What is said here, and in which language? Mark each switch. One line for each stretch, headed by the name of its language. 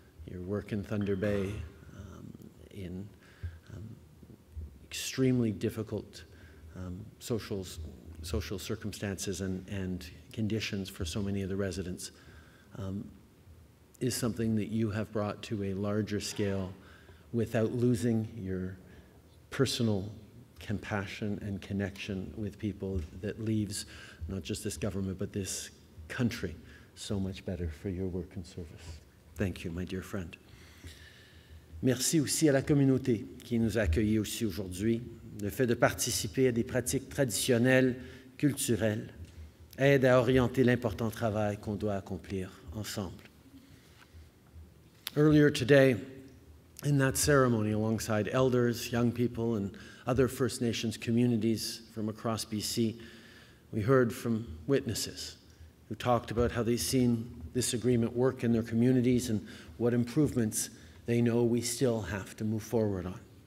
English: Your work in Thunder Bay in extremely difficult social circumstances and conditions for so many of the residents is something that you have brought to a larger scale without losing your personal compassion and connection with people that leaves not just this government but this country so much better for your work and service. Thank you, my dear friend.
French: Merci aussi à la communauté qui nous a accueillis aussi aujourd'hui. Le fait de participer à des pratiques traditionnelles, culturelles, aide à orienter l'important travail qu'on doit accomplir ensemble.
English: Earlier today, in that ceremony, alongside elders, young people, and other First Nations communities from across BC, we heard from witnesses who talked about how they've seen this agreement work in their communities and what improvements they know we still have to move forward on.